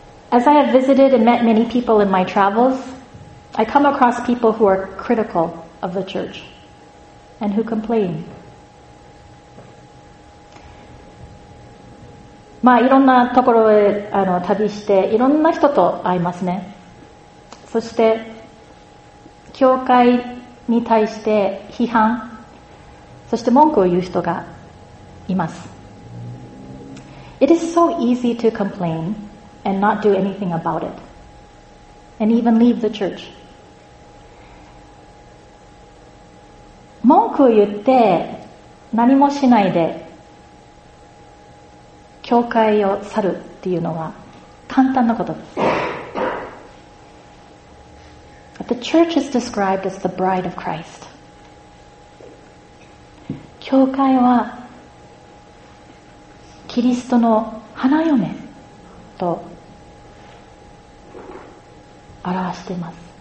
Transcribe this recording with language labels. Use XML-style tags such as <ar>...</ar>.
<en>As I have visited and met many people in my travels, I come across people who are critical of the church and who complain.</en> <ja>まあ、いろんなところへ旅して、いろんな人と会いますね。そして、教会に対して批判、そして文句を言う人がいます。</ja> <en>It is so easy to complain. And not do anything about it. And even leave the church.</en> <ja>文句を言って何もしないで教会を去るっていうのは簡単なことです。</ja> <en>But the church is described as the bride of Christ.</en> <ja>教会はキリストの花嫁と表しています。</ja>